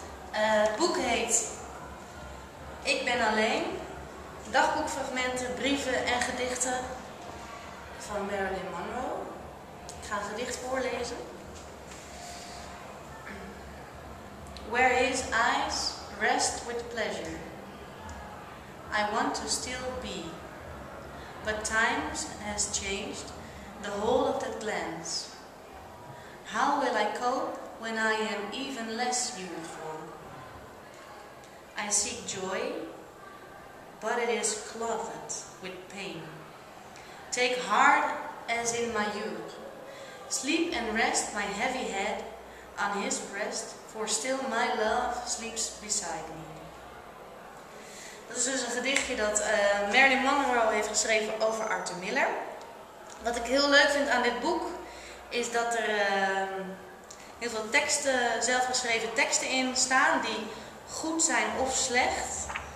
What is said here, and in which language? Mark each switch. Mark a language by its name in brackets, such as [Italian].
[Dutch] Het boek heet Ik ben alleen. Dagboekfragmenten, brieven en gedichten van Marilyn Monroe. Ik ga een gedicht voorlezen. [English] Where his eyes rest with pleasure. I want to still be. But times has changed the whole of that glance. How will I cope when I am even less uniform? I seek joy, but it is clothed with pain. Take heart as in my youth. Sleep and rest my heavy head on his breast, for still my love sleeps beside me. [Dutch] Dat is dus een gedichtje dat Marilyn Monroe heeft geschreven over Arthur Miller. Wat ik heel leuk vind aan dit boek is dat er heel veel teksten, zelfgeschreven teksten in staan die goed zijn of slecht.